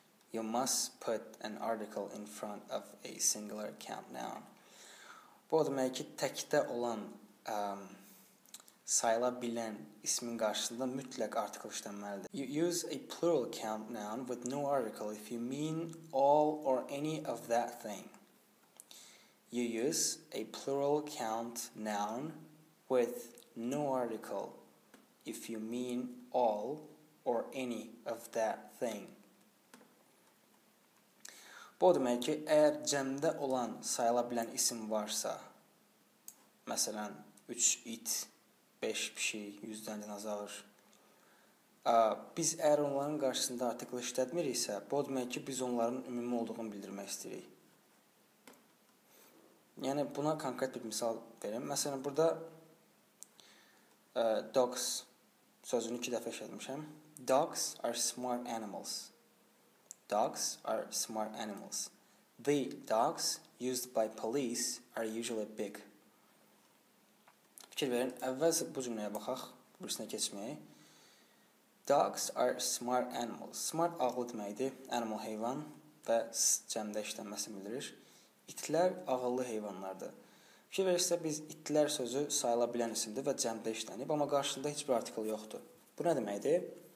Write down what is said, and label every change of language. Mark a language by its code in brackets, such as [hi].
[en] You must put an article in front of a singular count noun. [az] Bu o demək ki, təkdə olan sayıla bilən ismin qarşısında mütləq artikl işlənməlidir. [en] You use a plural count noun with no article if you mean all or any of that thing. You use a plural count noun with no article if you mean all or any of that thing. [az] Bu demək ki, əgər cəmdə olan sayıla bilən isim varsa, məsələn, 3 it, 5 pişik, 100 dənə dinozaur. Biz əgər onların qarşısında artikl işlətmiriksə, bu demək ki, biz onların ümumi olduğunu bildirmək istəyirik. Yəni, buna konkret bir misal verim. Məsələn, burada dogs sözünü iki dəfə işlətmişəm. [en] Dogs are smart animals. Dogs are smart animals. The dogs used by police are usually big. [az] Fikir verin, əvvəlcə bu cümləyə baxaq, burasına keçməyə. [en] Dogs are smart animals. [az] Smart ağlı deməkdir, animal heyvan və cəmdə işlənməsini bildirir. İtlər ağıllı heyvanlardır. Fikir verirsə, biz itlər sözü sayıla bilən isimdir və cəmdə işlənib, amma qarşında heç bir artikl yoxdur. Bu nə deməkdir?